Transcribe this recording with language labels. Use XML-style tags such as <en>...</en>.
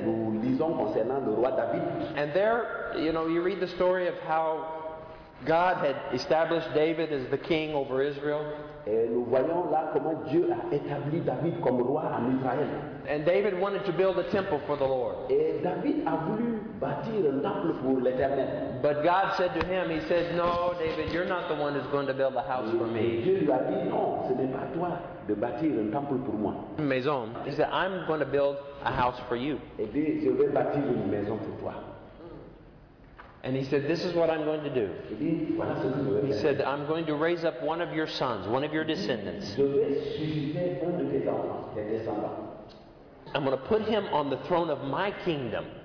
<en>And there, you know, you read the story of how God had established David as the king over Israel. And David wanted to build a temple for the Lord.</en> <fr>Et David a voulu bâtir un temple pour l'Éternel.</fr> <en>But God said to him, he said, no, David, you're not the one who's going to build a house for me.</en> <fr>Dieu lui a dit, non, ce n'est pas toi de bâtir un temple pour moi. Maison.</fr> <en>He said, I'm going to build a house for you.</en> <fr>Et puis, je vais bâtir une maison pour toi.</fr> <en>And he said, this is what I'm going to do. He said, I'm going to raise up one of your sons, one of your descendants. I'm going to put him on the throne of my kingdom.</en>